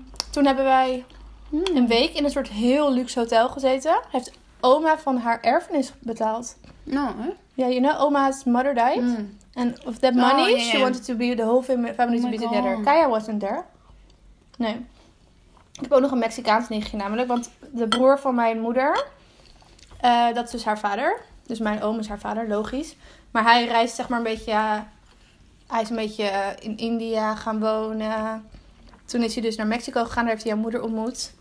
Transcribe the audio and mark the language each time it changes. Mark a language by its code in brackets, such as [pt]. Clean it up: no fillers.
[nl] Toen hebben wij een week in een soort heel luxe hotel gezeten. Heeft oma van haar erfenis betaald. Nou, hè? [en] Ja, you know, oma's mother died. Mm. And of that money, she wanted to be the whole family to be together. Kaya wasn't there. Nee. [nl] Ik heb ook nog een Mexicaans nichtje namelijk. Want de broer van mijn moeder, dat is dus haar vader. Dus mijn oom is haar vader, logisch. Maar hij reist zeg maar een beetje... Hij is een beetje in India gaan wonen. Toen is hij dus naar Mexico gegaan, daar heeft hij haar moeder ontmoet.